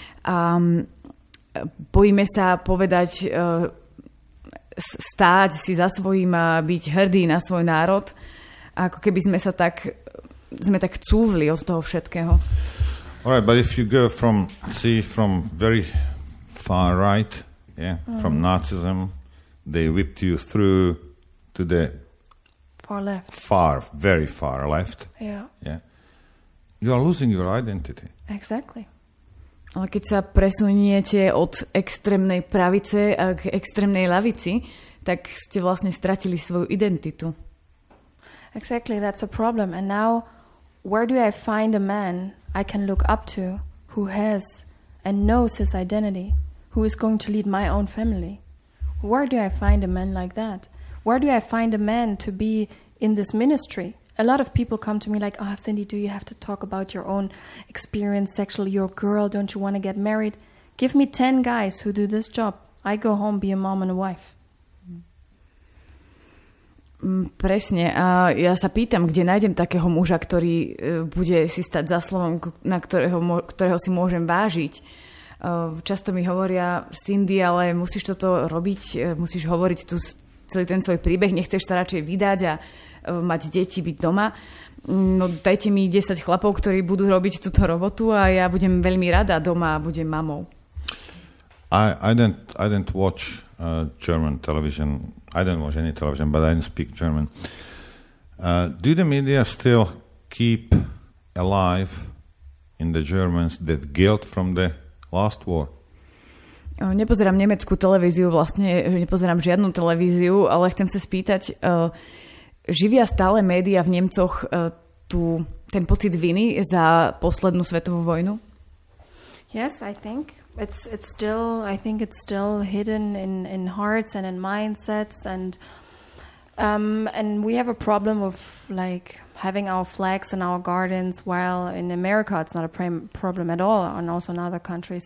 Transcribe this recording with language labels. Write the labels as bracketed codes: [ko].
[sk] A bojíme sa povedať, stáť si za svojím a byť hrdý na svoj národ, ako keby sme sa tak, sme tak cúvli od toho všetkého. [en] All right, but if you go from, see, from very far right, yeah, from Nazism, they whipped you through to the far left. Far, very far left. Yeah. You are losing your identity. Exactly. Ale keď sa presuniete od extrémnej pravice k extrémnej ľavici, tak ste vlastne stratili svoju identitu. Exactly, that's a problem. And now, where do I find a man I can look up to who has and knows his identity, who is going to lead my own family? Where do I find a man like that? Where do I find a man to be in this ministry? A lot of people come to me like, oh, Cindy, do you have to talk about your own experience sexually? You're a girl, don't you want to get married? Give me 10 guys who do this job. I go home, be a mom and a wife. [sk] Presne. A ja sa pýtam, kde nájdem takého muža, ktorý bude si stať za slovom, na ktorého si môžem vážiť. Často mi hovoria, Cindy, ale musíš toto robiť, musíš hovoriť tu celý ten svoj príbeh, nechceš sa radšej vydať a mať deti, byť doma. No dajte mi 10 chlapov, ktorí budú robiť túto robotu a ja budem veľmi rada doma a budem mamou. [en] I don't watch German television. I don't watch any television, but I don't speak German. Do the media still keep alive in the Germans that guilt from the last war? [sk] Nepozerám nemeckú televíziu, vlastne nepozerám žiadnu televíziu, ale chcem sa spýtať, živia stále média v Nemcoch ten pocit viny za poslednú svetovú vojnu? [en] Yes, I think it's still, I think it's still hidden in hearts and in mindsets, and we have a problem of like having our flags in our gardens, while in America it's not a problem at all, and also in other countries.